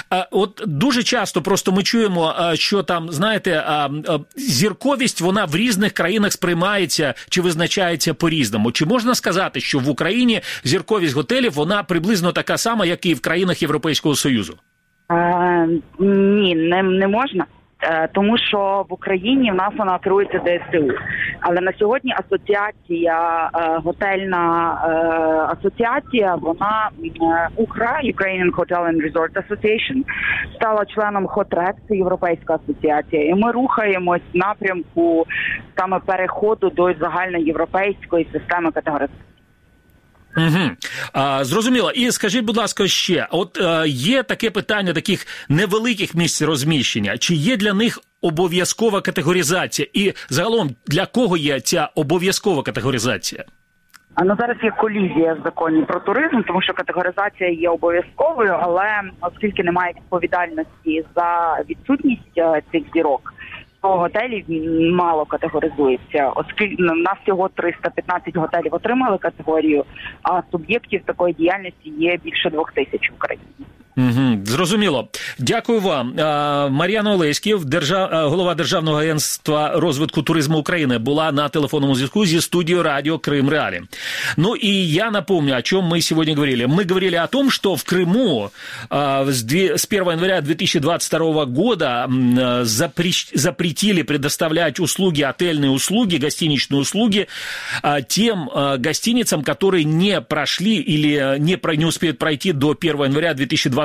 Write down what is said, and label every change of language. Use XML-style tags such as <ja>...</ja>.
<uk>От дуже часто просто ми чуємо, що там, знаєте, зірковість, вона в різних країнах сприймається чи визначається по-різному. Чи можна сказати, що в Україні зірковість готелів, вона приблизно така сама, як і в країнах Європейського Союзу? Ні, не можна. Тому що в Україні в нас вона керується ДСТУ. Але на сьогодні асоціація, готельна асоціація, вона УКРА, Ukrainian Hotel and Resort Association, стала членом ХОТРЕК, це Європейська асоціація. І ми рухаємось в напрямку саме переходу до загальноєвропейської системи категоризації. Угу. Зрозуміло. І скажіть, будь ласка, ще, от є таке питання таких невеликих місць розміщення, чи є для них обов'язкова категоризація? І загалом, для кого є ця обов'язкова категоризація? А ну зараз є колізія в законі про туризм, тому що категоризація є обов'язковою, але оскільки немає відповідальності за відсутність цих зірок, готелів мало категоризується, оскільки у нас всього 315 готелів отримали категорію, а суб'єктів такої діяльності є більше 2000 в Україні. Угу, зрозуміло. Дякую вам. Мар'яна Олеськів, голова Державного агентства розвитку туризму України, була на телефонному зв'язку зі студією радіо «Крим Реалі». Ну і я напомню, о чому ми сьогодні говорили.</uk> <ru>Ми говорили о том, що в Криму з 1 января 2022 года запретили предоставлять услуги, отельные услуги, гостиничные услуги тем гостиницам, которые не прошли или не успеют пройти до 1 января 2022</ru>